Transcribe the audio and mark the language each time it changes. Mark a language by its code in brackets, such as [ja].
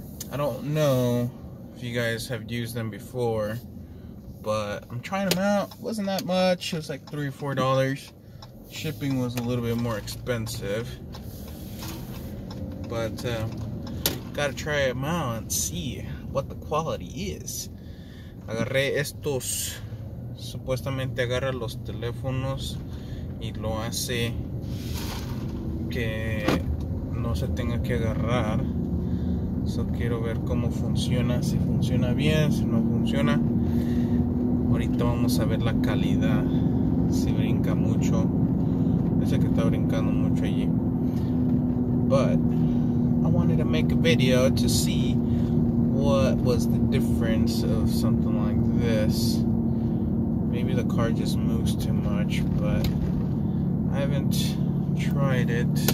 [en] I don't know if you guys have used them before, but I'm trying them out. Wasn't that much. It was like $3 or $4. Shipping was a little bit more expensive, but gotta try them out and see what the quality is. [es] Agarré estos. Supuestamente agarra los teléfonos y lo hace que no se tenga que agarrar. So quiero ver cómo funciona, si funciona bien, si no funciona. Ahorita vamos a ver la calidad, si brinca mucho. Dice que está brincando mucho allí. [en] But I wanted to make a video to see what was the difference of something like this. Maybe the car just moves too much, but I haven't tried it.